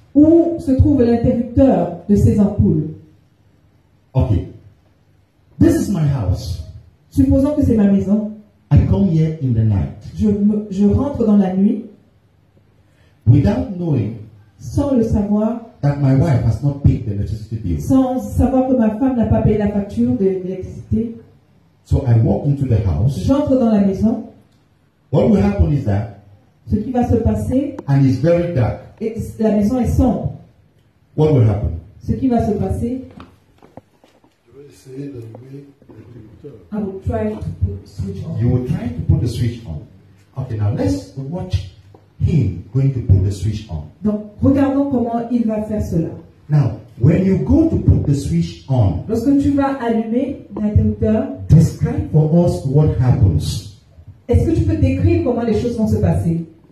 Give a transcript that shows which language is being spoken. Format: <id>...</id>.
<fr>Où se trouve l'interrupteur de ces ampoules?</fr> <en>Okay. This is my house.</en> <fr>Supposons que c'est ma maison.</fr> <en>I come here in the night.</en> <fr>Je rentre dans la nuit.</fr> <en>Without knowing.</en> <fr>Sans le savoir.</fr> <en>That my wife has not paid the electricity bill.</en> <fr>Sans savoir que ma femme n'a pas payé la facture de l'électricité.</fr> <en>So I walk into the house.</en> <fr>J'entre dans la maison.</fr> <en>What will happen is that.</en> <fr>Ce qui va se passer.</fr> <en>And it's very dark.</en> <fr>Et la maison est sombre.</fr> <en>What will happen?</en> <fr>Ce qui va se passer. Je vais essayer d'allumer l'interrupteur.</fr> <en>I will try to put the switch on. You will try to put the switch on. Okay, now let's watch. Him going to put the switch on.</en> <fr>Donc, regardons comment il va faire cela.</fr> <en>Now, when you go to put the switch on,</en> <fr>lorsque tu vas allumer l'interrupteur,</fr> <en>describe for us what happens.</en> <fr>Est-ce que tu peux décrire comment les choses vont se passer?</fr>